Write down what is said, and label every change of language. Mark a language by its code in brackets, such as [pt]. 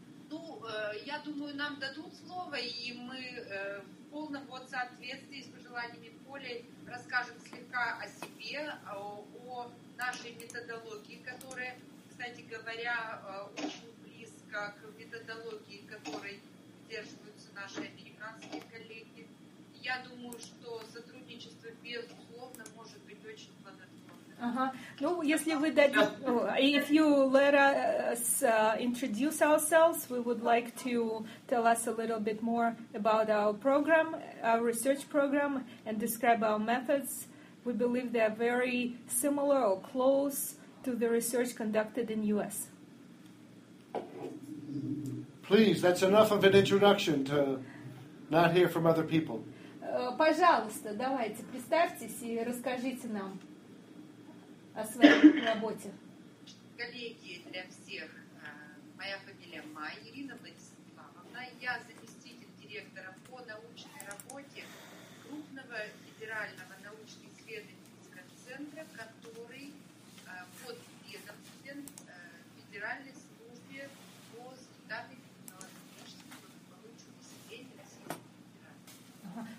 [ru] Ну, я думаю, нам дадут слово, и мы в полном вот соответствии с пожеланиями Поли расскажем слегка о себе, о нашей методологии, которая, кстати говоря, очень близка к методологии, которой придерживаются наши американские коллеги. Я думаю, что сотрудничество, безусловно, может быть очень плодотворным. Ну, если вы дадите, [en] if you let us introduce ourselves, we would like to tell us a little bit more about our program, our research program, and describe our methods. We believe they are very similar or close to the research conducted in U.S. Please, that's enough of an introduction to not hear from other people. [ru] Пожалуйста, давайте, представьтесь и расскажите нам о своей работе. Коллеги, для всех, моя фамилия Май, Ирина Владиславовна. Я заместитель директора по научной работе крупного федерального научно-исследовательского центра, который под ведомством Федеральной службы по результатам эпидемиологических исследований России.